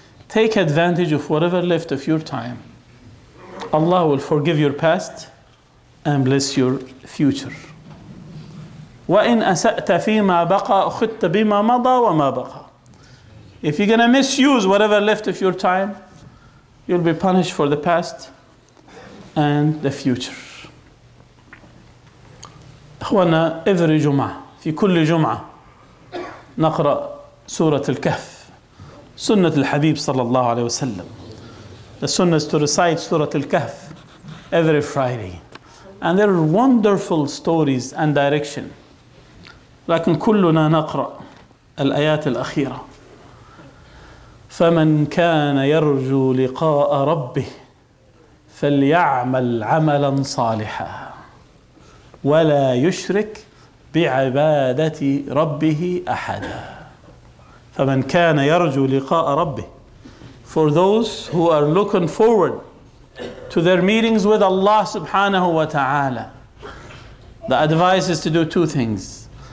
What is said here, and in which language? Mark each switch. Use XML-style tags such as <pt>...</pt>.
<en>Take advantage of whatever left of your time. Allah will forgive your past and bless your future.</en> <ar>وَإِنْ أَسَأْتَ فِي مَا بَقَى أُخِدْتَ بِمَا مَضَى وَمَا بَقَى.</ar> <en>If you're going to misuse whatever left of your time, you'll be punished for the past and the future.</en> <ar>أخوانا, every جمعة, في كل جمعة نقرأ سورة الكهف, سنة الحبيب صلى الله عليه وسلم.</ar> <en>The sunnah is to recite Surah Al-Kahf every Friday. And there are wonderful stories and direction.</en> <ar>لكن كلنا نقرأ الآيات الأخيرة. فمن كان يرجو لقاء ربه فليعمل عملا صالحا ولا يشرك بعبادة ربه أحدا. فمن كان يرجو لقاء ربه.</ar> <en>For those who are looking forward to their meetings with Allah subhanahu wa ta'ala, the advice is to do two things.</en>